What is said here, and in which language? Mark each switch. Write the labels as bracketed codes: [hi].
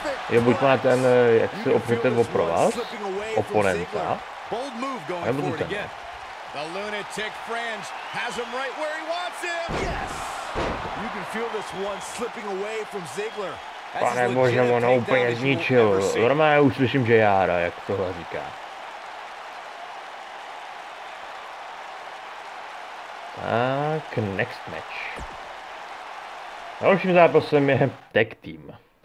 [cs] Jo, buď má ten, jak si opřete o provaz, oponenta, nebo to ten. [en] The lunatic fringe has him right where he wants him. Yes. You can feel this one slipping away from Ziggler. [cs] Pane bože, on ho úplně zničil. Normálně už slyším, že Jára, jak tohle říká. Tak, [en] next match. [cs] Dalším zápasem je tag team.